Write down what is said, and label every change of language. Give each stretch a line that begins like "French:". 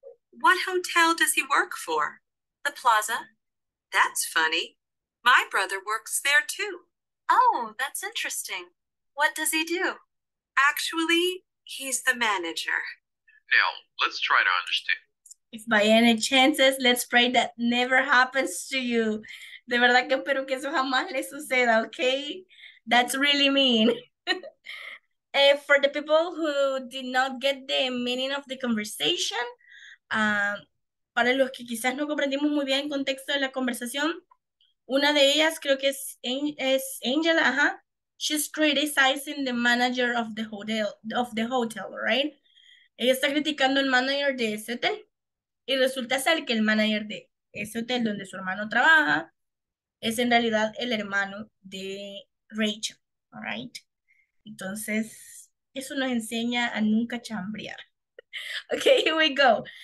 English: What hotel does he work for? The Plaza. That's funny. My brother works there too. Oh, that's interesting. What does he do? Actually, he's the manager. Now, let's try to understand. If by any chances, let's pray that never happens to you.
Spanish: De verdad que espero que eso jamás le suceda, okay?
English: That's really mean. For the people who did not get the meaning of the conversation,
Spanish: para los que quizás no comprendimos muy bien el contexto de la conversación, una de ellas creo que es Angela, ajá.
English: She's criticizing the manager of the hotel, right?
Spanish: Ella está criticando al manager de ese hotel. Y resulta ser que el manager de ese hotel donde su hermano trabaja es en realidad el hermano de Rachel,
English: all right?
Spanish: Entonces, eso nos enseña a nunca chambrear.
English: Okay, here we go.